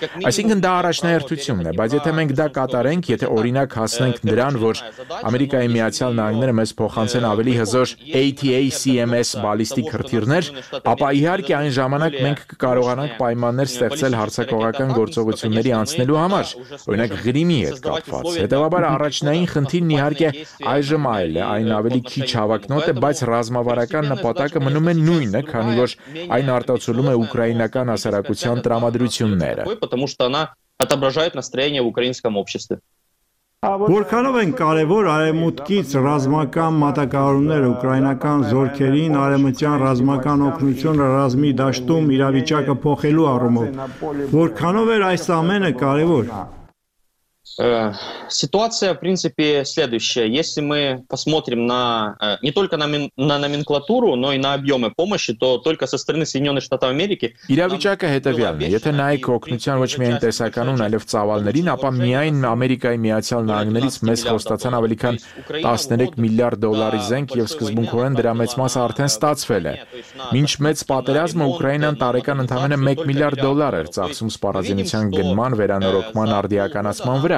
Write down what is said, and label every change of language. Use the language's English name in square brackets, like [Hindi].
[Armenian] այսինքն դա առաջնահերթությունն է, բայց եթե մենք դա կատարենք, եթե օրինակ հասնենք նրան, որ Ամերիկայի Միացյալ Նահանգները մեզ փոխանցեն ավելի հզոր ATACMS բալիստիկ հրթիռներ, ապա իհարկե այն ժամանակ մենք կկարողանանք պայմաններ ստեղծել հարձակողական գործողությունների անցնելու համար, օրինակ Ղրիմի հետ կապված։ Հետևաբար առաջնային խնդիրն իհարկե այժմ այլ է, այն ավելի քիչ հավակնոտ է, բայց ռազմավարական նպատակը մնում է նույնը, քանի որ այն արտացոլում է ուկրաինական հասարակության տրամադրությունները։ [Russian] Отображает настроение в украинском обществе. [Armenian] Որքանով են կարևոր արևմուտքից ռազմական մատակարարումները ուկրաինական զորքերին արևմտյան ռազմական օգնությունը ռազմիդաշտում իրավիճակը փոխելու առումով, որքանով է այս ամենը կարևոր։ [Russian] Ситуация, в принципе, следующая. Если мы посмотрим на не только на номенклатуру, но и на объемы помощи, то только со стороны Соединенных Штатов Америки. [Armenian] Իրավիճակը հետևյալն է. Եթե նայեք օգնության ոչ միայն տեսականուն, այլև ծավալներին, ապա միայն Ամերիկայի Միացյալ Նահանգներից մեզ խոստացան ավելի քան 13 միլիարդ դոլարի զենք, և սկզբունքորեն դրա մեծ մասը արդեն ստացվել է։ Մինչ մեծ պատերազմը Ուկրաինան տարեկան ընդամենը 1 միլիարդ դոլար էր ծախսում սպառազինության գնման, վերանորոգման, արդիականացման վրա։